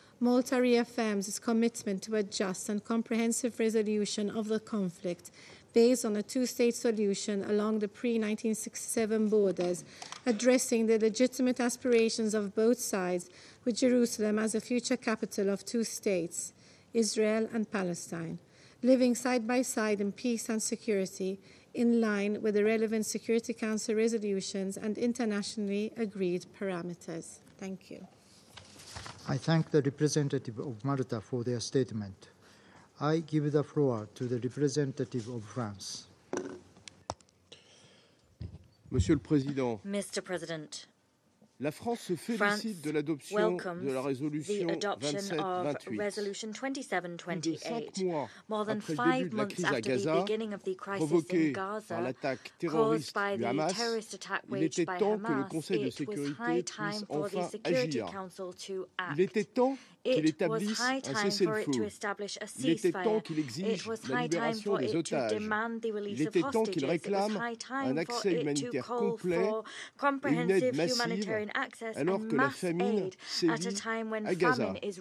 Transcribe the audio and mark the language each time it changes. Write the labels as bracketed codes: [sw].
[en] Malta reaffirms its commitment to a just and comprehensive resolution of the conflict based on a two-state solution along the pre-1967 borders, addressing the legitimate aspirations of both sides, with Jerusalem as a future capital of two states, Israel and Palestine, living side by side in peace and security, in line with the relevant Security Council resolutions and internationally agreed parameters. Thank you. I thank the representative of Malta for their statement. I give the floor to the representative of France. [fr] Monsieur le Président, [en] Mr. President, [fr] la France se félicite de l'adoption de la résolution 2728. [en] More than 5 months after the beginning of the crisis in Gaza, [fr] l'attaque terroriste du Hamas, il était temps que le Conseil de sécurité puisse enfin agir. Il était temps qu'il établisse un cessez-le-feu. Il était temps qu'il exige la libération des otages. Il était temps qu'il réclame un accès humanitaire complet et une aide massive alors que la famine sévit à Gaza.